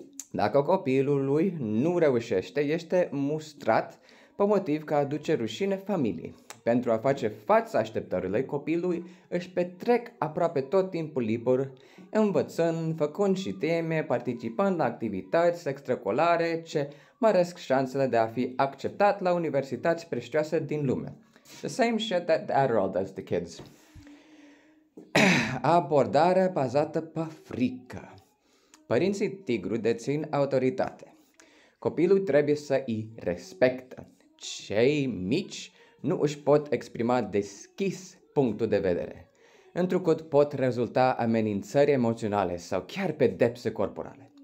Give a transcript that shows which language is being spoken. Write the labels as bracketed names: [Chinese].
[Romanian] Dacă copilul lui nu reușește, este mustrat pe motiv că aduce rușine familiei. Pentru a face față așteptările copilului, își petrec aproape tot timpul liber, învățând, făcând și teme, participând la activități extracolare ce măresc șansele de a fi acceptat la universități prestigioase din lume. [English] The same shit that the Adderall does to kids. [Romanian] Abordare bazată pe frică. Părinții tigru dețin autoritate. Copilul trebuie să îi respectă. Cei mici nu își pot exprima deschis punctul de vedere, întrucât pot rezulta amenințări emoționale sau chiar pedepse corporale.